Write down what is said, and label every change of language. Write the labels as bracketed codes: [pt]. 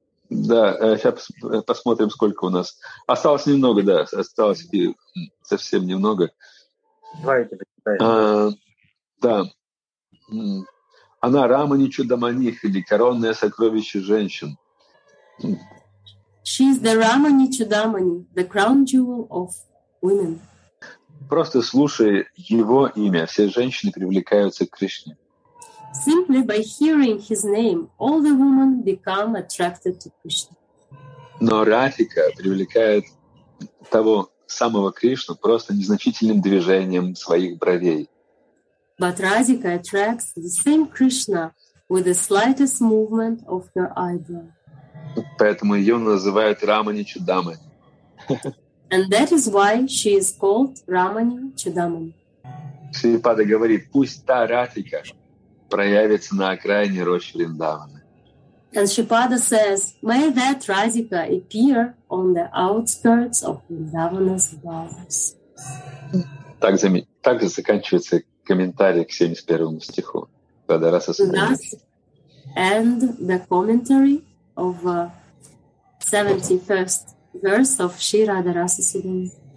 [ru] Да, сейчас посмотрим, сколько у нас. Осталось немного, да, осталось и совсем немного. Давайте почитаем. Да. Она Рамани Чудаманих, или коронное сокровище женщин. [en] She is the Ramani Chudamani, the crown jewel of women. [ru] Просто слушая его имя, все женщины привлекаются к Кришне. [en] Simply by hearing his name, all the women become attracted to Krishna. [ru] Но Радхика привлекает того самого Кришну просто незначительным движением своих бровей. [en] But Radhika attracts the same Krishna with the slightest movement of her eyebrow. [ru] Поэтому ее называют Рамани Чудамани. [en] And that is why she is called Рамани Чудамани. [ru] Шрипада говорит, пусть та Радхика проявится на окраине рощи Вриндавана. [en] And Shripada says, may that Radhika appear on the outskirts of Vrindavana's bowers. [ru] Так заканчивается комментарий к 71 стиху. Радхарас Асанамит. [en] And the commentary of 71st verse of Shri Radharasa Sudami.